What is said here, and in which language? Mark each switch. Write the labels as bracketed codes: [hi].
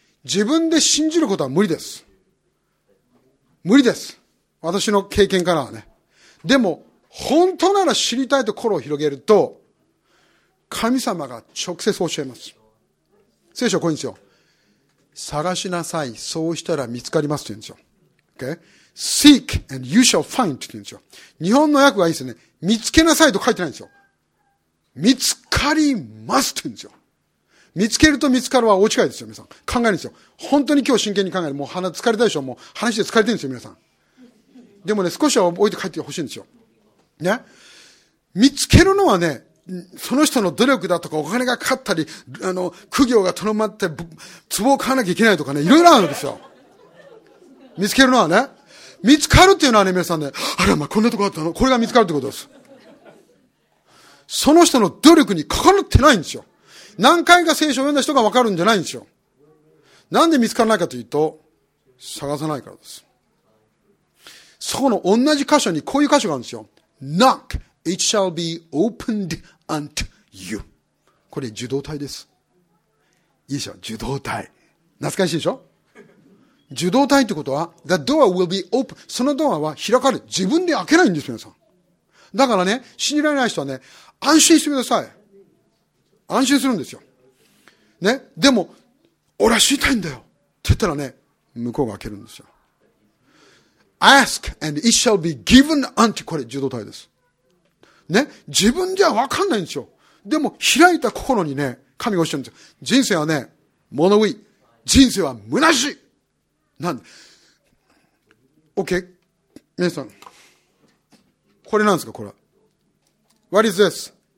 [ja] 自分で信じることは無理です。無理です。私の経験からはね。でも、本当なら知りたいと心を広げると、神様が直接教えます。聖書はこういうんですよ。探しなさい、そうしたら見つかりますって言うんですよ。 [en] Okay? Seek and you shall find [ja] って言うんですよ。日本の訳がいいですよね。見つけなさいと書いてないんですよ。見つかりますって言うんですよ。見つけると見つかるは大違いですよ、皆さん。考えるんですよ。本当に今日真剣に考える。もう鼻疲れたでしょ。もう話で疲れてるんですよ、皆さん。でもね、少しは置いて帰ってほしいんですよ。ね。見つけるのはね、その人の努力だとか、お金がかかったり、苦行がとどまって、壺を買わなきゃいけないとかね、いろいろあるんですよ。見つけるのはね。見つかるっていうのはね、皆さんね、あれ、まあ、こんなとこあったの？これが見つかるってことです。その人の努力にかかってないんですよ。何回か聖書を読んだ人が分かるんじゃないんですよ。なんで見つからないかというと、探さないからです。そこの同じ箇所にこういう箇所があるんですよ。 [en] Knock, it shall be opened unto you. [ja] これ受動体です。いいでしょ？受動体。懐かしいでしょ？受動体ってことは、 [en] the door will be open. [ja] そのドアは開かれ。自分で開けないんですよ、皆さん。だからね、信じられない人はね、安心してください。安心するんですよ。ね。でも、俺は知りたいんだよ。って言ったらね、向こうが開けるんですよ。 [en] Ask and it shall be given unto [ja] これ、受動体です。ね。自分じゃ分かんないんですよ。でも、開いた心にね、神がおっしゃるんですよ。人生はね、物食い。人生は虚しい。なんで。OK。 皆さん。これなんですか、これ。 [en] What is this?